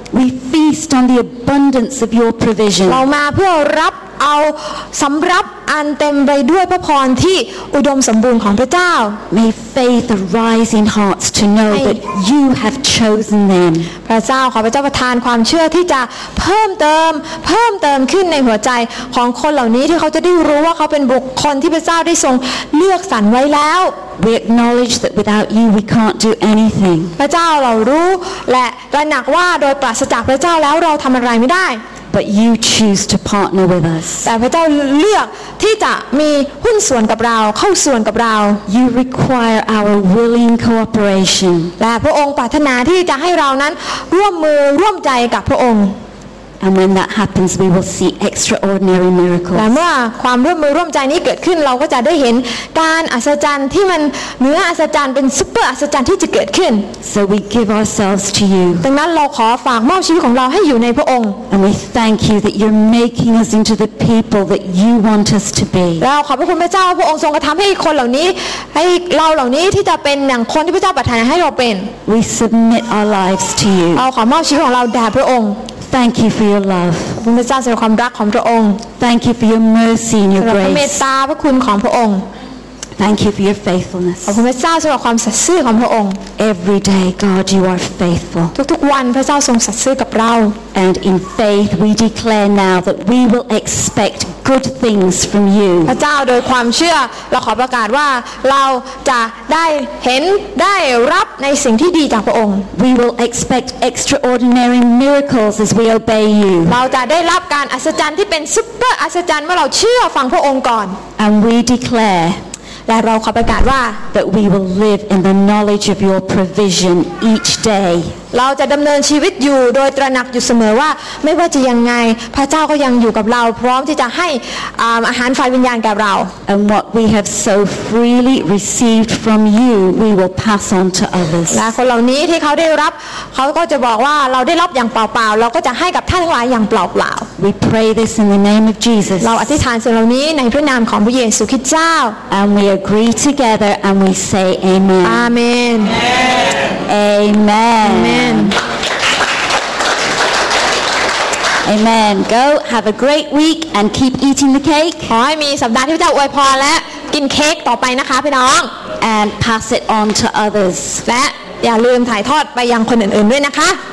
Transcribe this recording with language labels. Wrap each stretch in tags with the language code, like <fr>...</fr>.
<en>We feast on the abundance of your provision.</en> <th>เรามาเพื่อรับเอาสำรับอันเต็มไปด้วยพระพรที่อุดมสมบูรณ์ของพระเจ้า</th> <en>May faith arise in hearts to know that you have chosen them</en> <th>พระเจ้าขอพระเจ้าประทานความเชื่อที่จะเพิ่มเติมขึ้นในหัวใจของคนเหล่านี้ที่เขาจะได้รู้ว่าเขาเป็นบุคคลที่พระเจ้าได้ทรงเลือกสรรไว้แล้ว</th> <en>We acknowledge that without you we can't do anything</en> <th>พระเจ้าเรารู้และตระหนักว่าโดยปราศจากพระเจ้าแล้วเราทำอะไรไม่ได้</th> <en>But you choose to partner with us.</en> <th>แต่พระเจ้าเลือกที่จะมีหุ้นส่วนกับเราเข้าส่วนกับเรา</th> <en>You require our willing cooperation.</en> <th>และพระองค์ปรารถนาที่จะให้เรานั้นร่วมมือร่วมใจกับพระองค์</th> <en>And when that happens, we will see extraordinary miracles.</en> <th>และเมื่อความร่วมมือร่วมใจนี้เกิดขึ้นเราก็จะได้เห็นการอัศจรรย์ที่มันเหนืออัศจรรย์เป็นซุปเปอร์อัศจรรย์ที่จะเกิดขึ้น</th> <en>So we give ourselves to you.</en> <th>ดังนั้นเราขอฝากมอบชีวิตของเราให้อยู่ในพระองค์</th> <en>We thank you that you're making us into the people that you want us to be.</en> <th>เราขอบพระคุณพระเจ้าพระองค์ทรงกระทำให้คนเหล่านี้ให้เราเหล่านี้ที่จะเป็นอย่างคนที่พระเจ้าประทานให้เราเป็น</th> <en>We submit our lives to you.</en> <th>เราขอมอบชีวิตของเราแด่พระองค์</th> <en>Thank you for your love.</en> <th>ขอบคุณพระเจ้าสำหรับความรักของพระองค์</th> <en>Thank you for your mercy and your grace.</en> <th>สำหรับเมตตาพระคุณของพระองค์</th> <en>Thank you for your faithfulness.</en> <th>ขอบคุณพระเจ้าสำหรับความสัตย์ซื่อของพระองค์</th> <en>Every day, God, you are faithful.</en> <th>ทุกๆวันพระเจ้าทรงสัตย์ซื่อกับเรา</th> <en>And in faith we declare now that we will expect good things from you.</en> <th>พระเจ้าโดยความเชื่อเราขอประกาศว่าเราจะได้เห็นได้รับในสิ่งที่ดีจากพระองค์</th> <en>We will expect extraordinary miracles as we obey you.</en> <th>เราจะได้รับการอัศจรรย์ที่เป็นซุปเปอร์อัศจรรย์เมื่อเราเชื่อฟังพระองค์ก่อน</th> <en>And we declare</en> <th>และเราขอประกาศว่า</th> <en>that we will live in the knowledge of your provision each day</en> <th>เราจะดำเนินชีวิตอยู่โดยตระหนักอยู่เสมอว่าไม่ว่าจะยังไงพระเจ้าก็ยังอยู่กับเราพร้อมที่จะให้อาหารฝ่ายวิญญาณแก่เรา</th> <en>and what we have so freely received from you we will pass on to others</en> <th>และคนเหล่านี้ที่เขาได้รับเขาก็จะบอกว่าเราได้รับอย่างเปล่าๆเราก็จะให้กับท่านทั้งหลายอย่างเปล่า</th> <en>ๆ we pray this in the name of Jesus</en> <th>เราอธิษฐานสิ่งเหล่านี้ในพระนามของพระเยซูคริสต์เจ้า</th> <en>and we agree together and we say amen amen amen, amen. Amen. Amen. Go have a great week and keep eating the cake.</en> <th>ขอให้มีสัปดาห์ที่พระเจ้าอวยพรและกินเค้กต่อไปนะคะพี่น้อง</th> <en>And pass it on to others.</en> <th>และอย่าลืมถ่ายทอดไปยังคนอื่นๆด้วยนะคะ</th>